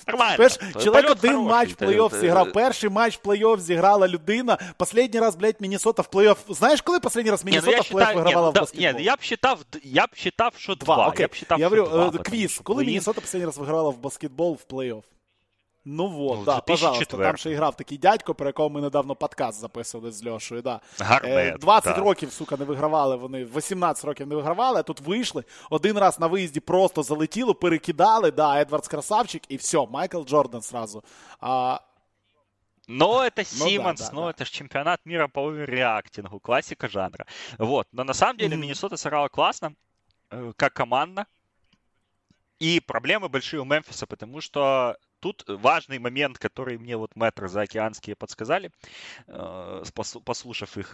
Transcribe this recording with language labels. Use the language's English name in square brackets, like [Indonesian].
[Russian] Понимаешь, человек один хороший, матч в плей-офф сыграл, первый матч в плей-офф сыграла людина, последний раз, блядь, Миннесота в плей-офф. Знаешь, когда последний раз Миннесота в плей-офф играла в баскетбол? Нет, я бы считал, что два. Окей, я говорю, квиз, когда Миннесота последний раз выиграла в баскетбол в плей-офф? Ну вот, ну, да, 2004. Пожалуйста, там же играл такой дядько, [Ukrainian] про якого [Russian] мы недавно подкаст записывали с Лешей, да. Гарнет, [Ukrainian] 20 років, сука, не вигравали вони, 18 років не вигравали, а тут вийшли, один раз на виїзді просто залетіло, перекидали, да, Едвардс красавчик, і все, Майкл Джордан сразу. [Russian] Но это Симмонс, ну, да, но да, это же чемпионат мира по оверреактингу, классика жанра. Вот, но на самом деле Миннесота сыграла классно, как командно. И проблемы большие у Мемфиса, потому что тут важный момент, который мне вот мэтры заокеанские подсказали, послушав их.